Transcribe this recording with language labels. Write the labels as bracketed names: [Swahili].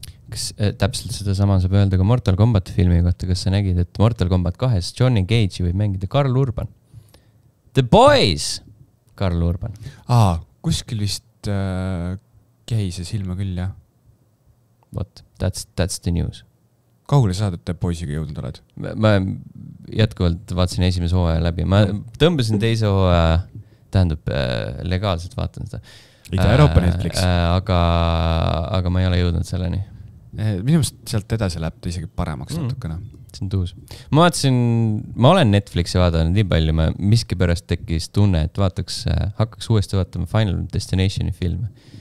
[Estonian] Kas täpselt seda sama saab öelda ka Mortal Kombat filmi kohta, kas sa nägid, et Mortal Kombat 2 Johnny Cage võib mängida Karl Urban. [English] The Boys! Karl Urban. [Estonian] Kuskil vist käise silma küll, jah. [English] What? That's the news. [Estonian] Kaugule saad, et te poisiga jõudnud oled? Ma jätkuvalt vaatsin esimese hooaja läbi. Ma tõmbasin teise hooaja, tähendab legaalselt vaatan seda. Ida-Euroopa Netflix. Aga ma ei ole jõudnud selleni. Minu mõttes sealt edasi läheb ta isegi paremaks natukene. See on tuus. Ma vaatasin, ma olen Netflixi vaadanud nii palju, ma miski pärast tekis tunne, et hakkaks uuesti vaatama Final Destinationi filme.